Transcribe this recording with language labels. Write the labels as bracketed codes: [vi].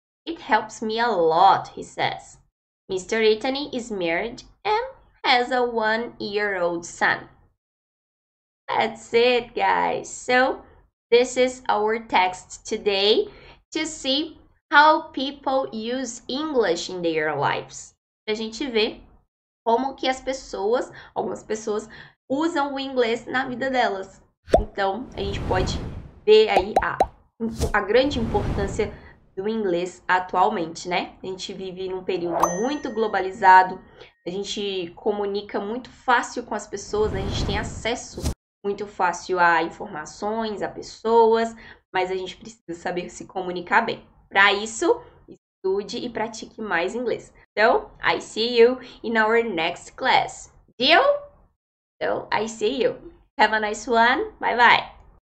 [en] It helps me a lot, he says. Mr. Itani is married and has a 1-year-old son. That's it, guys. So, this is our text today to see how people use English in their lives. [pt] A gente vê como que as pessoas, algumas pessoas, usam o inglês na vida delas. Então, a gente pode ver aí a grande importância do inglês atualmente, né? A gente vive num período muito globalizado, a gente comunica muito fácil com as pessoas, né? A gente tem acesso muito fácil a informações, a pessoas, mas a gente precisa saber se comunicar bem. Para isso, estude e pratique mais inglês. [en] So, I see you in our next class. Deal? So, I see you. Have a nice one. Bye bye.